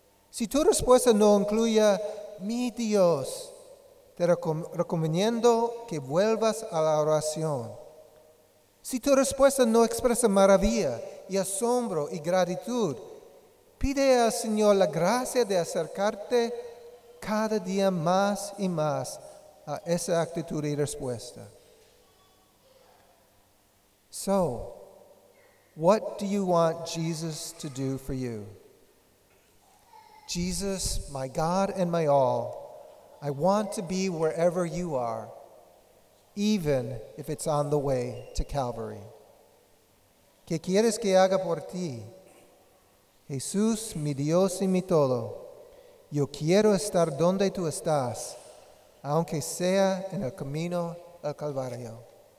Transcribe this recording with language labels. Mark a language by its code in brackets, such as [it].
[es] Si tu respuesta no incluye "mi Dios", te recomiendo que vuelvas a la oración. Si tu respuesta no expresa maravilla y asombro y gratitud, pide al Señor la gracia de acercarte cada día más y más a esa actitud y respuesta. [en] So, what do you want Jesus to do for you? "Jesus, my God and my all, I want to be wherever you are, even if it's on the way to Calvary." [es] ¿Qué quieres que haga por ti? "Jesús, mi Dios y mi todo, yo quiero estar donde tú estás, aunque sea en el camino al Calvario."